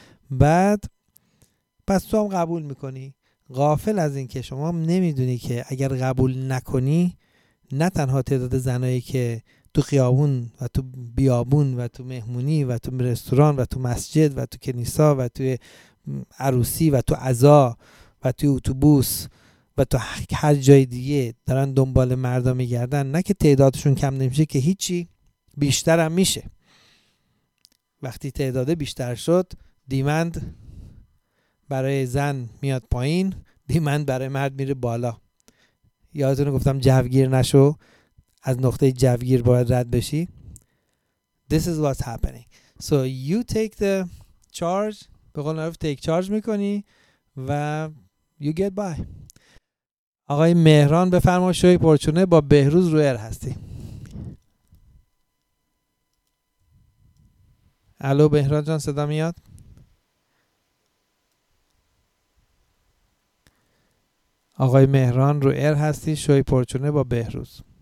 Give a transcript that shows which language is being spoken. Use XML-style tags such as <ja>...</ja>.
<fa>بعد پس تو هم قبول میکنی، غافل از این که شما نمیدونی که اگر قبول نکنی، نه تنها تعداد زنایی که تو خیابون و تو بیابون و تو مهمونی و تو رستوران و تو مسجد و تو کنیسا و تو عروسی و تو عزا و تو اتوبوس و تو هر جای دیگه دارن دنبال مردا میگردن، نه که تعدادشون کم نمیشه، که هیچی، بیشتر هم میشه. وقتی تعداد بیشتر شد، دیمند برای زن میاد پایین، دیمند برای مرد میره بالا. یادتونه گفتم جوگیر نشو، از نقطه جوگیر باید رد بشی.</fa> <en>This is what's happening. So you take the charge،</en> <fa>به قول معروف</fa> <en>take charge</en> <fa>میکنی و</fa> <en>you get by.</en> <fa>آقای مهران بفرما، شوی پرچونه با بهروز رویر هستی. الو بهران جان، صدا میاد؟ آقای مهران رویر هستی، شوی پرچونه با بهروز.</fa>